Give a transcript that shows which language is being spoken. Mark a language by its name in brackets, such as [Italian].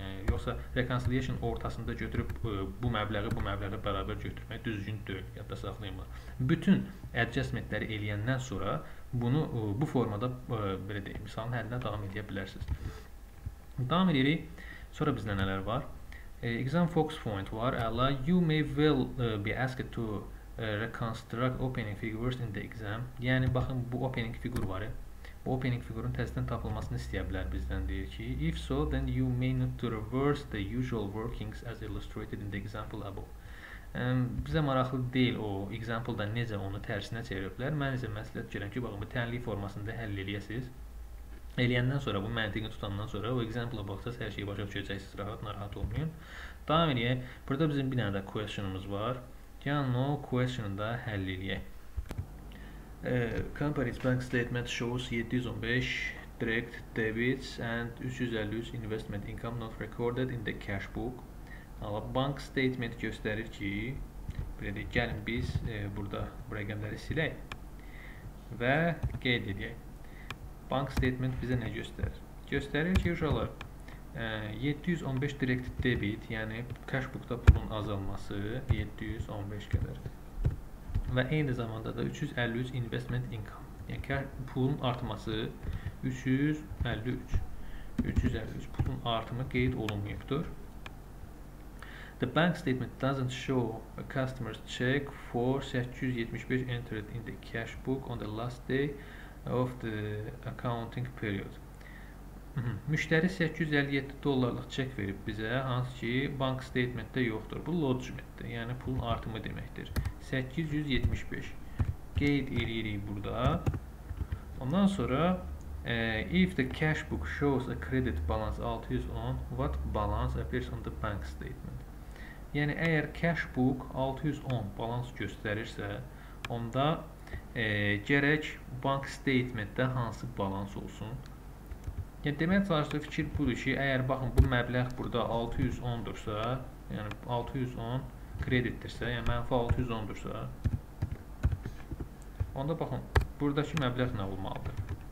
[Azerbaijani] Yoxsa reconciliation ortasında götürüb bu məbləği bu məbləğə bərabər götürmək düzgün deyil. Yadda saxlayın bunu. Bütün adjustmentləri eləyəndən sonra bunu bu formada belə deyim, misalın həllinə davam edə bilərsiniz. Davam edirik. Sonra bizdə nələr var? Exam focus point var. [English] Ala, you may well be asked to reconstruct opening figures in the exam. [Azerbaijani] Yəni baxın bu opening figur var. Bu opening figurun təzədən tapılmasını istəyə bilər bizdən deyir ki, [English] if so then you may need to reverse the usual workings as illustrated in the example above. [Azerbaijani] Bizə maraqlı deyil o example-da necə onu tərsinə çeviriblər. Mən isə məsləhət görürəm ki, baxın bu tənliyi formasında həll eləyəsiniz. Eləyəndən sonra bu məntiqi tutandan sonra o example-a baxsanız hər şeyi başa düşəcəksiniz. Rahat narahat olmayın. Davam edək. Burada bizim bir dənə də question-umuz var. Yəni, no question da həll eləyək. [English] Company's bank statement shows 715 direct debits and 353 investment income not recorded in the cash book. [Azerbaijani] Ama bank statement göstərir ki, deyik, gəlin biz burada bu rəqəmləri silək və qeyd edək. Bank statement bizə nə göstərir? Göstərir ki, uşaqlar, 715 direkt debit, yəni cashbook'da pulun azalması 715 qədər. Və eyni zamanda da 353 investment income, yəni pulun artması 353. 353 pulun artımı qeyd olunmayıbdır. [English] The bank statement doesn't show a customer's check for 875 entered in the cashbook on the last day of the accounting period. [Azerbaijani] Müştəri 857 dollarlıq çek verib bizə, hansı ki bank statementdə yoxdur. Bu lodgementdir, yəni pulun artımı deməkdir. 875 qeyd edirik burada. Ondan sonra [English] if the cash book shows a credit balance 610, what balance appears on the bank statement? [Azerbaijani] Yəni əgər cash book 610 balans göstərirsə, onda gərək bank statementdə hansı balans olsun? Yəni, deməyə çalışdığı fikir budur ki, əgər baxın, bu məbləğ burada 610-dursa, yəni 610 kreditdirsə, yəni mənfi 610-dursa, onda baxın, buradakı məbləğ nə olmalıdır?